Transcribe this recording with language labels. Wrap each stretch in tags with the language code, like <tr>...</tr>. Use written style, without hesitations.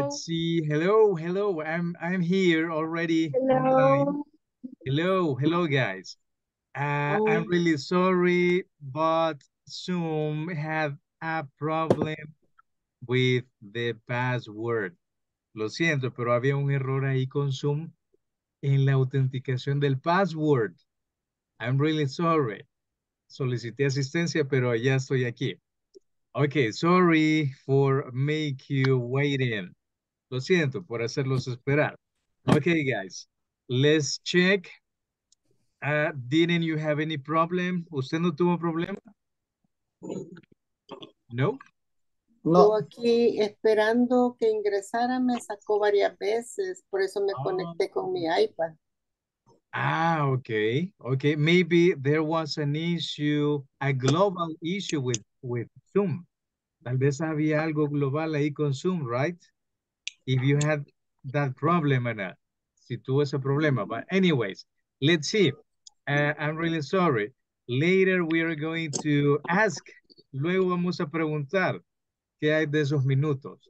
<en>Let's see, hello, hello, I'm here already online. Hello, hello guys. I'm really sorry, but Zoom have a problem with the password.</en> <es>Lo siento, pero había un error ahí con Zoom en la autenticación del password.</es> <en>I'm really sorry.</en> <es>Solicité asistencia, pero ya estoy aquí.</es> <en>Okay, sorry for make you waiting.</en> <es>Lo siento por hacerlos esperar.</es> <en>Okay, guys, let's check. Didn't you have any problem?</en> <es>¿Usted no tuvo problema? No. No. Estuvo aquí esperando que ingresara, me sacó varias veces, por eso me conecté con mi iPad.</es> <en>Ah, okay. Okay. Maybe there was an issue, a global issue with Zoom.</en> <es>Tal vez había algo global ahí con Zoom, right?</es> <en>If you had that problem, Ana,</en> <es>si tuvo ese problema.</es> <en>But anyways, let's see. I'm really sorry. Later we are going to ask.</en> <es>Luego vamos a preguntar qué hay de esos minutos.</es>